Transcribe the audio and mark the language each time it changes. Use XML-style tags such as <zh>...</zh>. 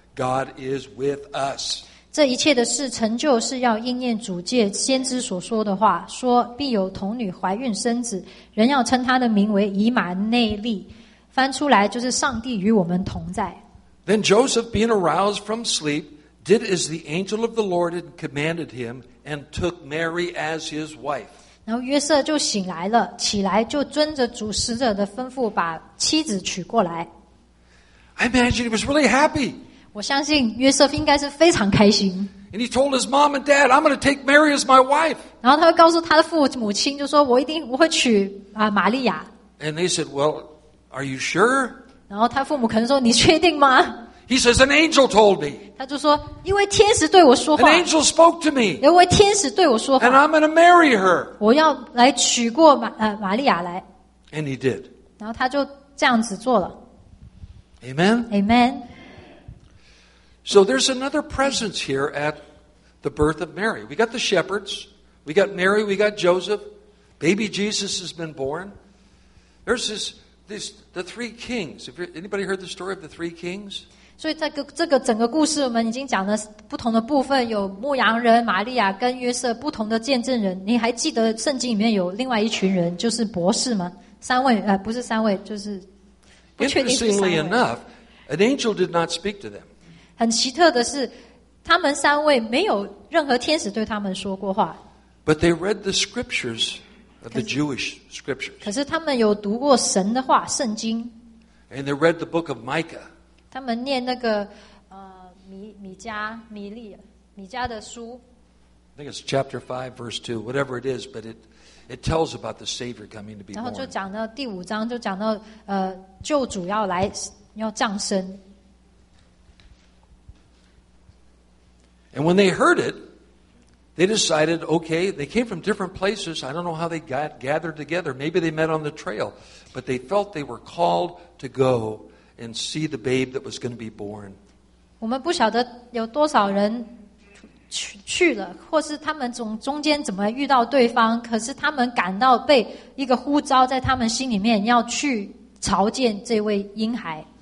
<en>God is with us.</en> <zh>这一切的事成就是要应验主借先知所说的话，说必有童女怀孕生子，人要称他的名为以马内利。翻出来就是上帝与我们同在。</zh> <en>Then Joseph, being aroused from sleep, did as the angel of the Lord had commanded him, and took Mary as his wife.</en> <zh>然后约瑟就醒来了，起来就遵着主使者的吩咐，把妻子娶过来。</zh> <en>I imagine he was really happy.</en> <zh>我相信约瑟应该是非常开心。</zh> <en>And he told his mom and dad, "I'm going to take Mary as my wife."</en> <zh>然后他会告诉他的父母亲，就说我会娶玛利亚。</zh> <en>And they said, "Well, are you sure?"</en> <zh>然后他父母可能说你确定吗？</zh> <en>He says, an angel told me.</en> <zh>他就说，因为天使对我说话。</zh> <en>An angel spoke to me.</en> <zh>因为天使对我说话。</zh> <en>And I'm going to marry her.</en> <zh>我要来娶过玛利亚来。</zh> <en>And he did.</en> <zh>然后他就这样子做了。</zh> <en>Amen. Amen. So there's another presence here at the birth of Mary. We got the shepherds. We got Mary. We got Joseph. Baby Jesus has been born. There's the three kings. Have anybody heard the story of the three kings?</en> <zh>所以在这个整个故事我们已经讲了不同的部分，有牧羊人玛利亚跟约瑟不同的见证人。你还记得圣经里面有另外一群人，就是博士吗？三位不是三位，就是不确定是三位。</zh> <en>Interestingly enough, an angel did not speak to them.</en> <zh>很奇特的是，他们三位没有任何天使对他们说过话。</zh> <en>But they read the scriptures of the Jewish scriptures.</en> <zh>可是他们有读过神的话，圣经。</zh> <en>And they read the book of Micah.</en> <zh>他们念那个米迦的书。</zh> <en>think it's chapter 5, verse 2, whatever it is, but it tells about the Savior coming to be born.</en> <zh>然后就讲到第五章，就讲到救主要来，要降生。</zh> <en>And when they heard it, they decided, okay, they came from different places. I don't know how they got gathered together. Maybe they met on the trail. But they felt they were called to go and see the babe that was going to be born.</en> <zh>我们不晓得有多少人去了，或是他们中间怎么遇到对方，可是他们感到被一个呼召在他们心里面，要去朝见这位婴孩。</zh>